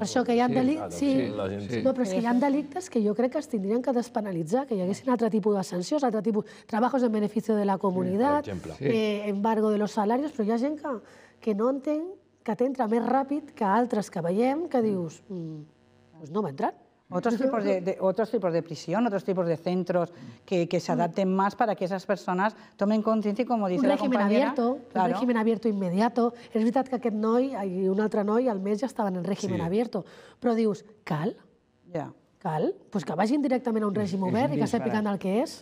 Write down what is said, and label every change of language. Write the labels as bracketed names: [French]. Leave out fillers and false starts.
[Catalan] Per això que hi ha delictes, sí. No, però és que hi ha delictes que jo crec que es tindrien que despenalitzar, que hi haguessin altre tipus de sancions, altre tipus de treballos en benefici de la comunitat, [Spanish] embargo de los salarios, [Catalan] però hi ha gent que no entén que t'entra més ràpid que altres que veiem, que dius, pues no va entrar. [Spanish] Otros tipos de prisión, otros tipos de centros que se adapten más para que esas personas tomen conciencia y, como dice la compañera... Un régimen abierto inmediato. [Catalan] És veritat que aquest noi i un altre noi al mes ja estaven en régimen abierto. Però dius, cal? Ja. Cal? Pues que vagin directament a un règim obert i que sàpiguen el que és.